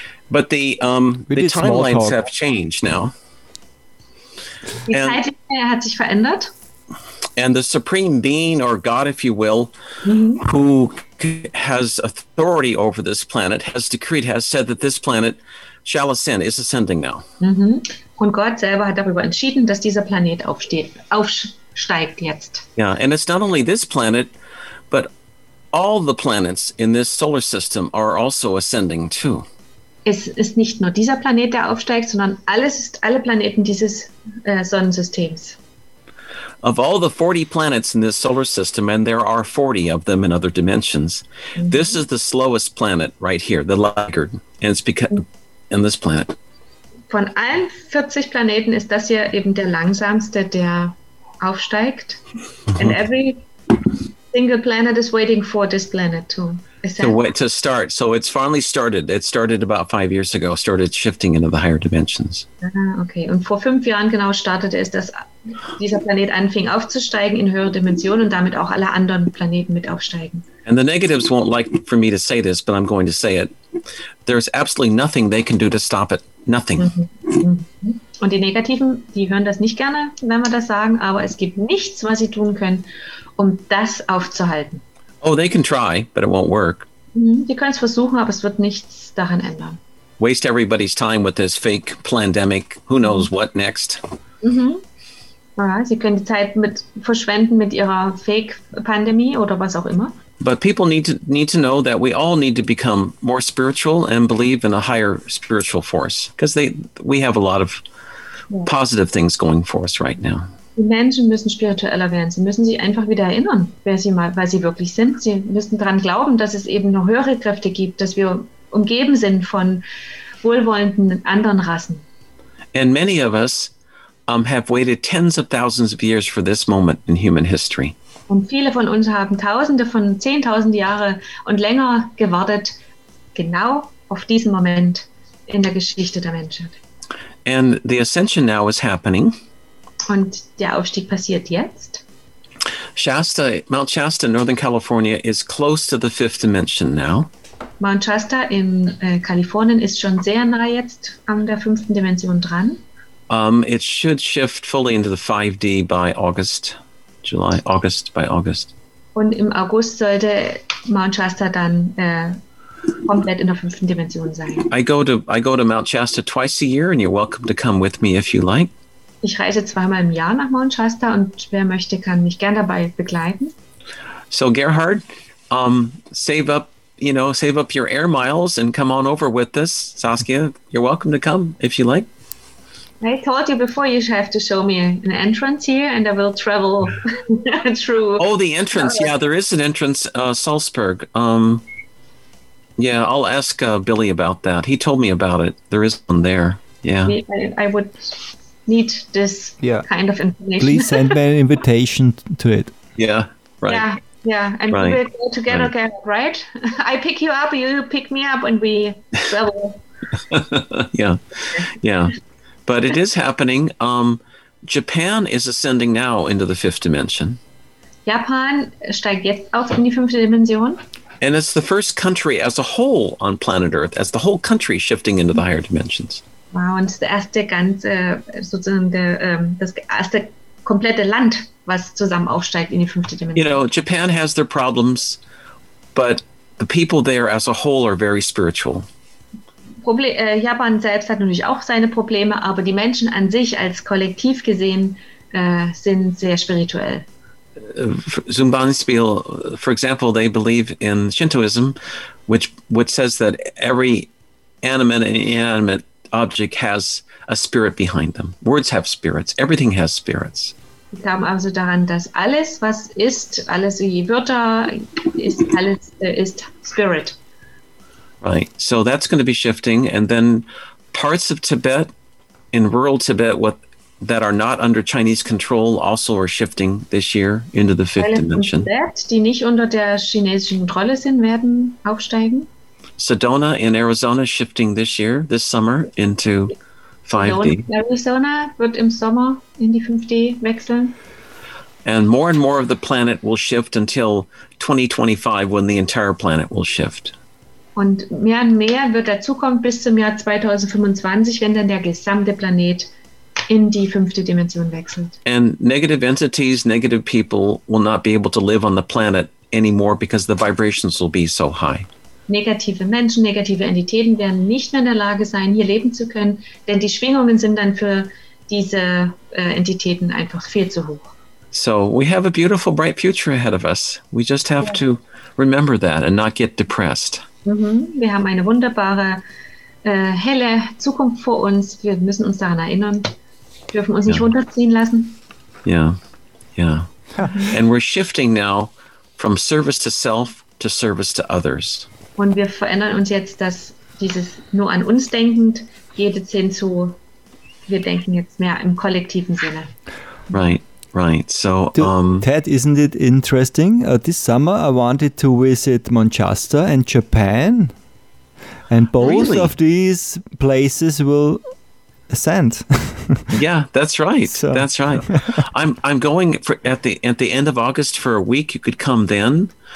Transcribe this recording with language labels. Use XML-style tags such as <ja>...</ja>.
<en>But the timelines have changed now.</en> <de>Die Zeitlinie hat sich verändert.</de> <en>And the supreme being, or God, if you will, who has authority over this planet, has decreed, has said that this planet shall ascend, is ascending now. Mm-hmm.</en> <de>Und Gott selber hat darüber entschieden, dass dieser Planet aufsteigt jetzt.</de> <en>Yeah, and it's not only this planet, but all the planets in this solar system are also ascending too.</en> <de>Es ist nicht nur dieser Planet, der aufsteigt, sondern alle Planeten dieses Sonnensystems.</de> <en>Of all the 40 planets in this solar system, and there are 40 of them in other dimensions, this is the slowest planet right here, the laggard, and it's because in this planet. Von allen 40 Planeten ist das hier eben der langsamste, der aufsteigt. And every single planet is waiting for this planet to ascend. To start. So it's finally started. It started about 5 years ago, started shifting into the higher dimensions. Okay.</en> <de>Und vor 5 Jahren genau startete es, dass dieser Planet anfing aufzusteigen in höhere Dimensionen und damit auch alle anderen Planeten mit aufsteigen.</de> <en>And the negatives won't like for me to say this, but I'm going to say it. There's absolutely nothing they can do to stop it. Nothing.</en> <de>Und die Negativen, die hören das nicht gerne, wenn wir das sagen, aber es gibt nichts, was sie tun können, um das aufzuhalten.</de> <en>Oh, they can try, but it won't work.</en> <de>Die können es versuchen, aber es wird nichts daran ändern.</de> <en>Waste everybody's time with this fake pandemic. Who knows what next?</en> <de>Ja, sie können die Zeit mit verschwenden mit ihrer Fake-Pandemie oder was auch immer.</de> <en>But people need to know that we all need to become more spiritual and believe in a higher spiritual force, because we have a lot of positive things going for us right now.</en> <de>Die Menschen müssen spiritueller werden. Sie müssen sich einfach wieder erinnern, wer sie wirklich sind. Sie müssen daran glauben, dass es eben noch höhere Kräfte gibt, dass wir umgeben sind von wohlwollenden anderen Rassen.</de> <en>And many of us have waited tens of thousands of years for this moment in human history.</en> <de>Und viele von uns haben Tausende von 10.000 Jahre und länger gewartet, genau auf diesen Moment in der Geschichte der Menschheit.</de> <en>And the ascension now is happening.</en> <de>Und der Aufstieg passiert jetzt.</de> <en>Shasta, Mount Shasta in Northern California is close to the fifth dimension now.</en> <de>Mount Shasta in Kalifornien ist schon sehr nah jetzt an der fünften Dimension dran.</de> <en>It should shift fully into the 5D by August, July, August by August.</en> <de>Und im August sollte Mount Shasta dann komplett in der fünften Dimension sein.</de> <en>I go to Mount Shasta twice a year and you're welcome to come with me if you like.</en> <de>Ich reise zweimal im Jahr nach Mount Shasta und wer möchte, kann mich gern dabei begleiten.</de> <en>So Gerhard, save up your air miles and come on over with us. Saskia, you're welcome to come if you like. I told you before you have to show me an entrance here and I will travel through. Oh, the entrance. Yeah, there is an entrance, Salzburg. Yeah, I'll ask Billy about that. He told me about it. There is one there. Yeah. I would need this kind of information. Please send me an invitation to it. Yeah, right. Yeah, and we'll go together, right? I pick you up, you pick me up, and we travel. Yeah. But it is happening. Japan is ascending now into the fifth dimension.</en> <de>Japan steigt jetzt auf in die fünfte Dimension.</de> <en>And it's the first country as a whole on planet Earth, as the whole country shifting into the higher dimensions.</en> <de>Wow, und das erste ganze, sozusagen das erste komplette Land, was zusammen aufsteigt in die fünfte Dimension.</de> <en>You know, Japan has their problems, but the people there as a whole are very spiritual.</en> <de>Japan selbst hat natürlich auch seine Probleme, aber die Menschen an sich als Kollektiv gesehen sind sehr spirituell. Zum Beispiel,</de> <en>for example, they believe in Shintoism, which says that every animate and inanimate object has a spirit behind them. Words have spirits. Everything has spirits.</en> <de>Sie glauben also daran, dass alles, was ist, alles wie Wörter, ist, alles ist Spirit.</de> <en>Right, so that's going to be shifting. And then parts of Tibet, in rural Tibet, that are not under Chinese control also are shifting this year into the fifth dimension.</en> <de>Tibet, die nicht unter der chinesischen Kontrolle sind, werden aufsteigen.</de> <en>Sedona in Arizona shifting this year, this summer, into 5D.</en> <de>Arizona wird im Sommer in die 5D wechseln.</de> <en>And more and more of the planet will shift until 2025, when the entire planet will shift.</en> <de>Und mehr wird dazukommen bis zum Jahr 2025, wenn dann der gesamte Planet in die fünfte Dimension wechselt.</de> <en>And negative entities, negative people will not be able to live on the planet anymore because the vibrations will be so high.</en> <de>Negative Menschen, negative Entitäten werden nicht mehr in der Lage sein, hier leben zu können, denn die Schwingungen sind dann für diese Entitäten einfach viel zu hoch.</de> <en>So we have a beautiful, bright future ahead of us. We just have to remember that and not get depressed.</en> <de>Wir haben eine wunderbare, helle Zukunft vor uns. Wir müssen uns daran erinnern. Wir dürfen uns nicht runterziehen lassen.</de> <en>Yeah. And we're shifting now from service to self to service to others.</en> <de>Und wir verändern uns jetzt, dass dieses nur an uns denkend geht jetzt hin zu, wir denken jetzt mehr im kollektiven Sinne.</de> <en>Right. So, Ted, isn't it interesting? This summer I wanted to visit Mount Shasta and Japan. And both of these places will ascend. Yeah, that's right. So. That's right. I'm going at the end of August for a week. You could come then.</en>